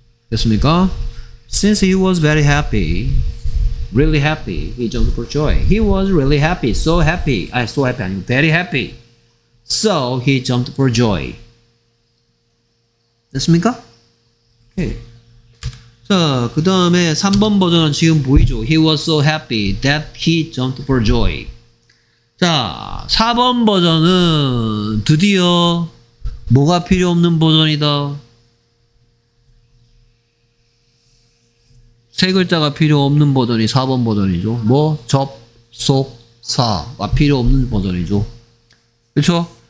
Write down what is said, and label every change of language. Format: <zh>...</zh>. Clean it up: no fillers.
<ko>됐습니까?</ko> <en>Since he was very happy, really happy, he jumped for joy. He was really happy, so happy.</en> <ko>아니,</ko> <en>so happy</en> <ko>아니고</ko> <en>very happy. So he jumped for joy.</en> <ko>됐습니까? 오케이. 자, 그 다음에 3번 버전은 지금 보이죠?</ko> <en>He was so happy that he jumped for joy.</en> <ko>자, 4번 버전은 드디어 뭐가 필요 없는 버전이다. 세 글자가 필요 없는 버전이 4번 버전이죠. 뭐? 접, 속, 사가 필요 없는 버전이죠. 그쵸?</ko>